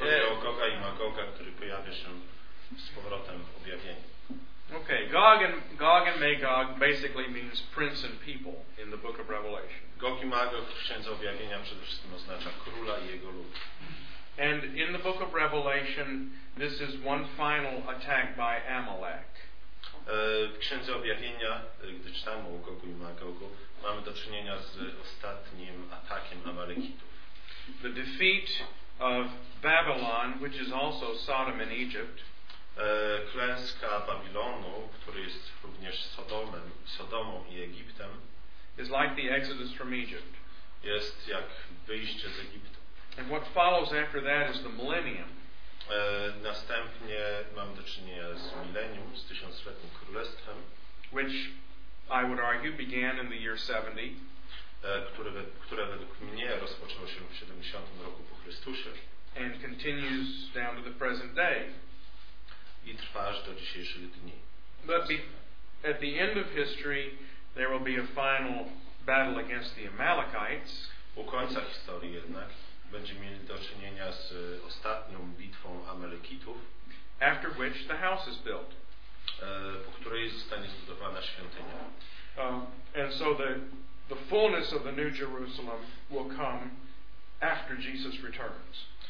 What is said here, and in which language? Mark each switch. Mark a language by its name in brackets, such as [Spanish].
[Polish] O Goga i Magoga, który pojawia się z powrotem w objawieniu. [English] Okay, Gog and Magog basically means prince and people in the Book of Revelation. [Polish] Gog i Magog w Księdze Objawienia przede wszystkim oznacza króla i jego lud. [English] And in the Book of Revelation, this is one final attack by Amalek. [Polish] W Księdze Objawienia, gdy czytamy o Gogu i Magogu, mamy do czynienia z ostatnim atakiem Amalekitów. [English] The defeat of Babylon, which is also Sodom and Egypt. [Polish] Klęska Babilonu, który jest również Sodomą i Egiptem, [English] is like the exodus from Egypt. [Polish] Jest jak wyjście z Egiptu. [English] And what follows after that is the millennium. [Polish] Następnie mamy do czynienia z milenium, z tysiącletnim królestwem, [English] which I would argue began in the year 70. [Polish] Które według mnie rozpoczęło się w 70 roku po Chrystusie. [English] And continues down to the present day. [Polish] I trwa aż do dzisiejszych dni. [English] But at the end of history, there will be a final battle against the Amalekites. [Polish] U końca historii jednak będziemy mieli do czynienia z ostatnią bitwą Amalekitów. [English] After which the house is built. [Polish] Po której zostanie zbudowana świątynia. [English] And so the fullness of the New Jerusalem will come after Jesus returns.